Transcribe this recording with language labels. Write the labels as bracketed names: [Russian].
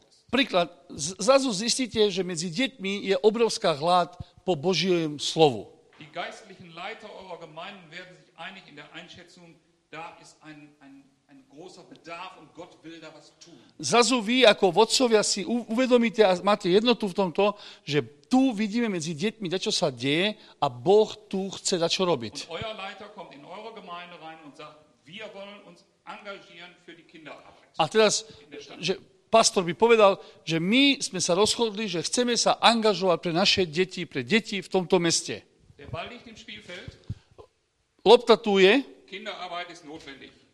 [Slovak] Príklad, zrazu zistíte, že medzi deťmi je obrovská hlad po Božiom slovu. [German] Die geistlichen Leiter eurer Gemeinden werden sich einig in der Einschätzung, da ist ein großer Bedarf und Gott will da was tun. [Slovak] Zrazu vy ako vodcovia si uvedomíte a máte jednotu v tomto, že tu vidíme medzi deťmi, čo sa deje a Boh tu chce dačo robiť. [German] Und euer Leiter kommt in eure Gemeinde rein und sagt, wir wollen uns engagieren für die Kinderarbeit. [Slovak] A teraz, že pastor by povedal, že my sme sa rozhodli, že chceme sa angažovať pre naše deti, pre deti v tomto meste. [German] Der Ball liegt im Spielfeld. [Slovak] Lopta tu je. [German] Kinderarbeit ist notwendig.